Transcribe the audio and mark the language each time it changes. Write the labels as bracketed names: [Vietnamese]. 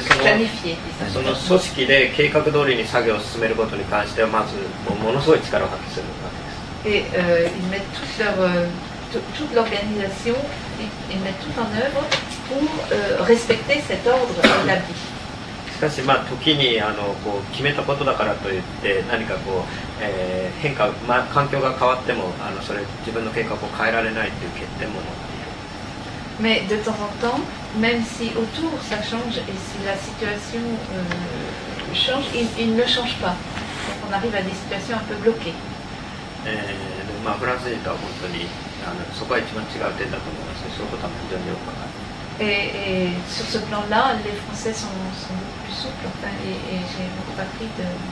[Japanese] その組織で計画通りに作業を進めることに関してはまず ものすごい力を発揮するわけです。 [French] Ils mettent toute l'organisation, ils mettent tout en œuvre pour respecter cet ordre établi. [Japanese] しかし時にこう決めたことだからといって何かこう、変化、環境が変わってもそれ自分の計画を変えられないという欠点も。 [French] Mais de temps en temps, même si autour ça change et si la situation change, il ne change pas. Donc on arrive à des situations un peu bloquées. Français, c'est vraiment [Japanese] そこは一番違う点だと思います。そういうことは非常によく分かる。 [French] Et sur ce plan-là, les Français sont plus souples, enfin, et j'ai beaucoup appris de ça.